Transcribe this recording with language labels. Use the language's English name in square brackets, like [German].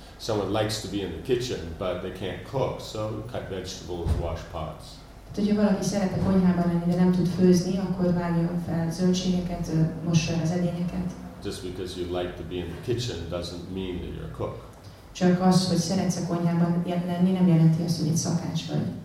[English] Someone likes to be in the kitchen, but they can't cook, so cut vegetables, wash pots. [Hungarian] Tehát, ha valaki szeret a konyhában lenni, de nem tud főzni, akkor vágjon fel zöldségeket, mossa az edényeket. [English] Just because you like to be in the kitchen doesn't mean that you're a cook. [Hungarian] Csak az, hogy szeretsz a konyhában lenni, nem jelenti azt, hogy egy szakács vagy.